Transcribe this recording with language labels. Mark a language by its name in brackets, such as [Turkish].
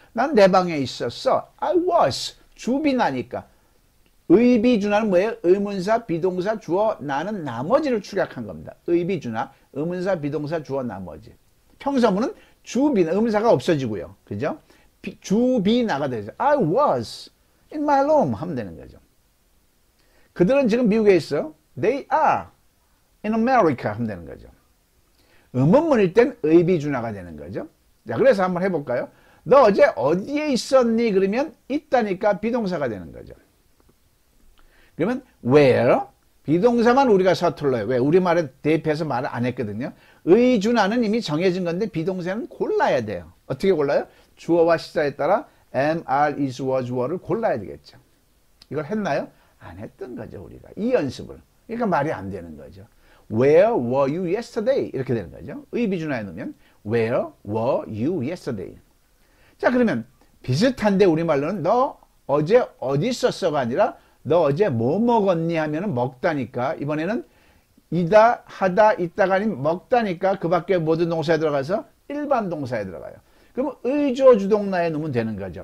[Korean] 난내 방에 있었어. [English] I was. [Korean] 주비 나니까. 의비준화는 뭐예요? 의문사, 비동사, 주어, 나는 나머지를 축약한 겁니다. 의비준화, 의문사, 비동사, 주어, 나머지. 평소문은 주비나, 음사가 없어지고요. 그죠? 주비나가 되죠. [English] I was in my room [Korean] 하면 되는 거죠. 그들은 지금 미국에 있어요. [English] They are in America [Korean] 하면 되는 거죠. 의문문일 땐 의비준화가 되는 거죠. 자, 그래서 한번 해볼까요? 너 어제 어디에 있었니? 그러면 있다니까 비동사가 되는 거죠. 그러면 where 비동사만 우리가 서툴러요. 왜? 우리말에 대입해서 말을 안 했거든요. 의준하는 이미 정해진 건데 비동사는 골라야 돼요. 어떻게 골라요? 주어와 시제에 따라 am, are, is, was, were를 골라야 되겠죠. 이걸 했나요? 안 했던 거죠, 우리가. 이 연습을. 그러니까 말이 안 되는 거죠. [English] Where were you yesterday? [Korean] 이렇게 되는 거죠. 의비준하에 넣으면 [English] where were you yesterday? [Korean] 자, 그러면 비슷한데 우리말로는 너 어제 어디 있었어가 아니라 너 어제 뭐 먹었니? 하면은 먹다니까. 이번에는 이다, 하다, 있다가 아닌 먹다니까. 그 밖에 모든 동사에 들어가서 일반 동사에 들어가요. 그럼 의조 주동나에 넣으면 되는 거죠.